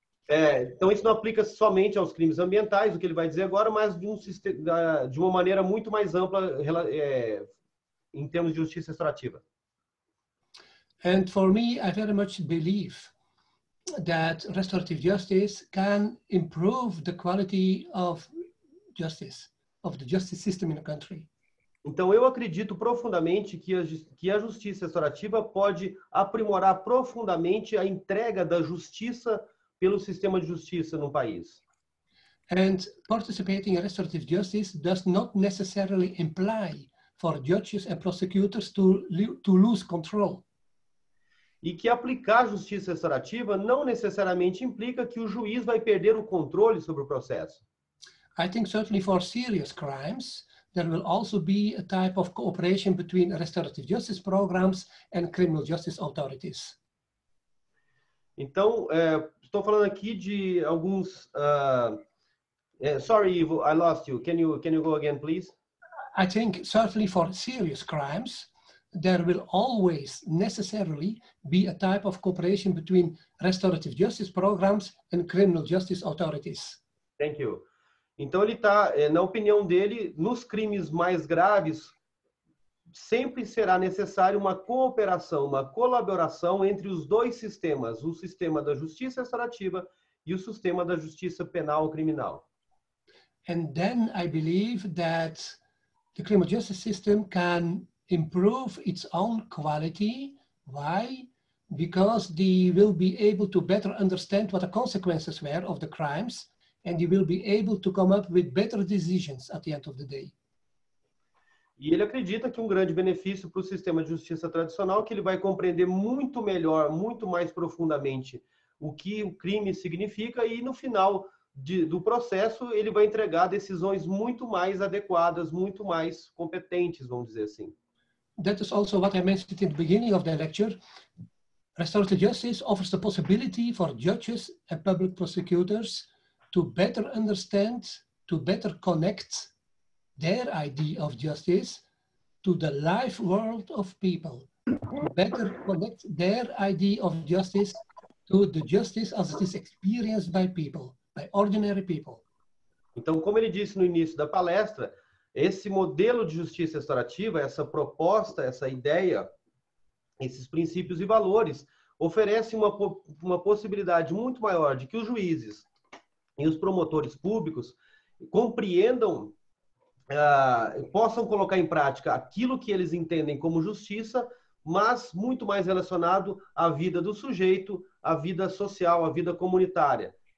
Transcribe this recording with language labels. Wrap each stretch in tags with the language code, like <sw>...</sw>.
<pt>Então isso não aplica somente aos crimes ambientais, o que ele vai dizer agora, mas de uma maneira muito mais ampla em termos de justiça restaurativa.</pt> <en>And for me, I very much believe that restorative justice can improve the quality of justice, of the justice system in a country.</en> <pt>Então eu acredito profundamente que a justiça restaurativa pode aprimorar profundamente a entrega da justiça pelo sistema de justiça no país.</pt> <en>And participating in restorative justice does not necessarily imply for judges and prosecutors to lose control.</en> <pt>E que aplicar a justiça restaurativa não necessariamente implica que o juiz vai perder o controle sobre o processo.</pt> <en>I think certainly for serious crimes there will also be a type of cooperation between restorative justice programs and criminal justice authorities.</en> <pt>Então, estou falando aqui de alguns</pt> <en>sorry Ivo, I lost you. Can you go again please? I think certainly for serious crimes there will always necessarily be a type of cooperation between restorative justice programs and criminal justice authorities. Thank you.</en> <pt>Então ele está, na opinião dele, nos crimes mais graves, sempre será necessário uma cooperação, uma colaboração entre os dois sistemas, o sistema da justiça restaurativa e o sistema da justiça penal criminal.</pt> <en>And then I believe that the criminal justice system can improve its own quality. Why? Because they will be able to better understand what the consequences were of the crimes and they will be able to come up with better decisions at the end of the day.</en> <pt>E ele acredita que um grande benefício para o sistema de justiça tradicional é que ele vai compreender muito melhor, muito mais profundamente o que o crime significa e no final do processo ele vai entregar decisões muito mais adequadas, muito mais competentes, vamos dizer assim.</pt> <en>That is also what I mentioned in the beginning of the lecture. Restorative justice offers the possibility for judges and public prosecutors to better understand, to better connect their idea of justice to the life world of people. Better connect their idea of justice to the justice as it is experienced by people, by ordinary people.</en> <pt>Então, como ele disse no início da palestra, esse modelo de justiça restaurativa, essa proposta, essa ideia, esses princípios e valores, oferece uma possibilidade muito maior de que os juízes e os promotores públicos compreendam, possam colocar em prática aquilo que eles entendem como justiça, mas muito mais relacionado à vida do sujeito, à vida social, à vida comunitária.</pt>